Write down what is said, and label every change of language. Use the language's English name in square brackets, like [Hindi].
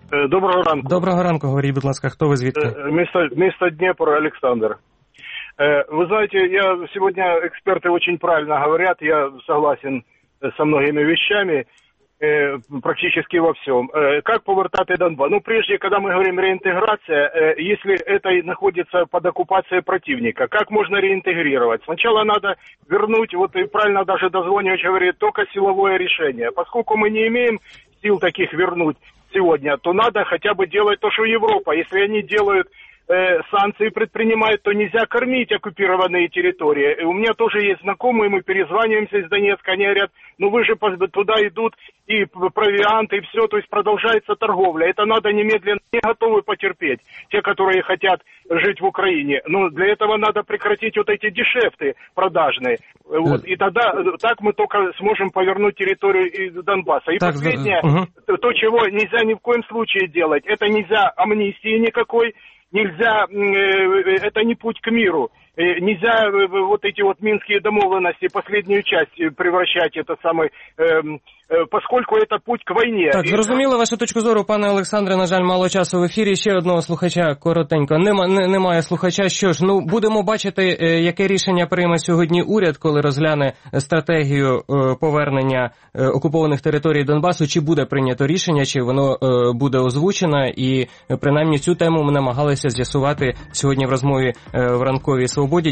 [Ukrainian] Доброго ранку. Доброго ранку, говоріть, будь ласка, хто ви, звідки? Місто Дніпро, Олександр. Ви знаєте, я сьогодні, експерти дуже правильно говорять, [Russian] я согласен зі многими вещами, практически во всем. Как повертати Донбас? Ну, прежде, когда мы говорим реинтеграция, если это находится под оккупацией противника, как можно реинтегрировать? Сначала надо вернуть, вот и правильно даже дозвонивать говорит, только силовое решение. Поскольку мы не имеем сил таких вернуть сегодня, то надо хотя бы делать то, что Европа. Если они делают санкции предпринимают, то нельзя кормить оккупированные территории. И у меня тоже есть знакомые, мы перезваниваемся из Донецка, они говорят, ну вы же туда идут и провианты, и все, то есть продолжается торговля. Это надо немедленно, не готовы потерпеть те, которые хотят жить в Украине. Но для этого надо прекратить вот эти дешевты продажные. Вот. И тогда так мы только сможем повернуть территорию из Донбасса. И так, последнее, то, чего нельзя ни в коем случае делать, это нельзя амнистии никакой. Нельзя, это не путь к миру. Нельзя вот эти вот минские домовленности, последнюю часть превращать это самое, поскольку это путь к войне. [Ukrainian] Так, зрозуміло вашу точку зору, пане Олександре, на жаль, мало часу в ефірі. Ще одного слухача коротенько. Немає слухача. Що ж, ну, будемо бачити, яке рішення прийме сьогодні уряд, коли розгляне стратегію повернення окупованих територій Донбасу, чи буде прийнято рішення, чи воно буде озвучено, і принаймні цю тему ми намагалися з'ясувати сьогодні в розмові в ранковій Свободі.